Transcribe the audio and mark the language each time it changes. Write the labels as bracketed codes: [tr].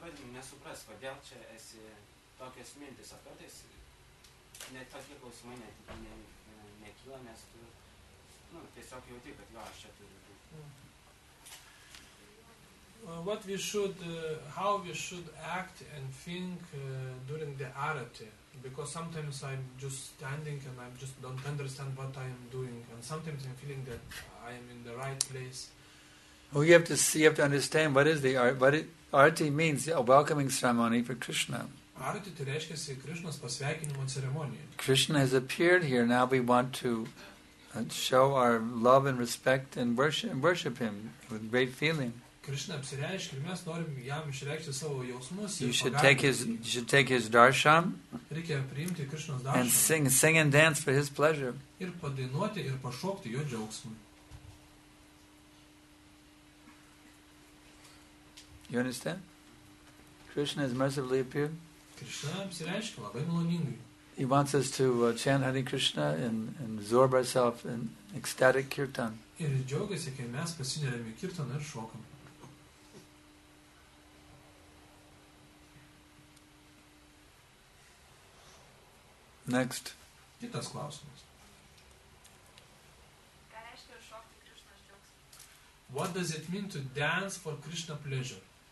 [lt] Nesupras, kodėl čia esi tokias mintis, ar kartais net tokie klausimai nekyla, nes tu tiesiog jauti, kad jo, aš čia turiu būti. [en] What we should, how we should act and think during the arati, because sometimes I'm just standing and I just don't understand what I am doing, and sometimes I'm feeling that I am in the right place. Well, you have to understand what is the arati. What arati means, a welcoming ceremony for Krishna. [lt] Arati tai reiškiasi Krishnas pasveikinimo ceremonija. [en] Krishna has appeared here. Now we want to show our love and respect and worship him with great feeling. [lt] Krishna apsireiškė ir mes norim jam išreikšti savo jausmus. [en] You should take his darshan. [lt] Reikia priimti Krishnos darshan. [en] And sing and dance for his pleasure. [lt] Ir padainuoti ir pašokti jo džiaugsmui. [en] You understand? Krishna has mercifully appeared. [lt] Krishna apsireiškė labai maloningai. [en] He wants us to chant Hare Krishna and absorb ourselves in ecstatic kirtan. [lt] Ir džiaugiasi, kai mes pasineriame į kirtaną ir šokam. [en] Next. [lt] Kitas klausimas. Ką reiškia šokti Krishna's džiaugsmą? [en] What does it mean to dance for Krishna pleasure?